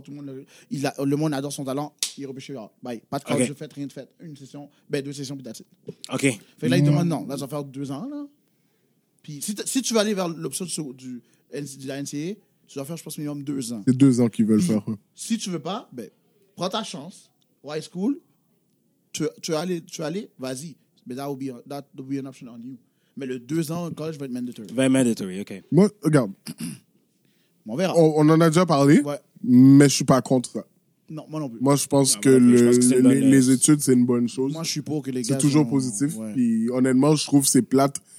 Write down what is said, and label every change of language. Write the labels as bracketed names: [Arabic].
[French] Tout le monde, le monde adore son talent. Il est repêché. Là. Bye. Pas de coach, rien de fait. Une session, deux sessions, puis [English] that's it. [French] OK. Fait que là, il demande non. Là, ça va faire 2 ans. Là. Puis si tu veux aller vers l'option de la NCAA, tu dois faire, je pense, minimum 2 ans. C'est 2 ans qu'ils veulent faire. Si tu veux pas, prends ta chance. [English] High school, [French] tu veux aller, vas-y. Mais [English] that will be an option on you. [French] mais le 2 ans au collège va être mandatory. Va être mandatory, OK. Moi, regarde. On verra. On en a déjà parlé, ouais. Mais je suis pas contre ça. Non, moi non plus. Moi, je pense que les études, c'est une bonne chose. Moi, je suis pour que les gars... C'est toujours positif. Puis honnêtement, je trouve que c'est plate.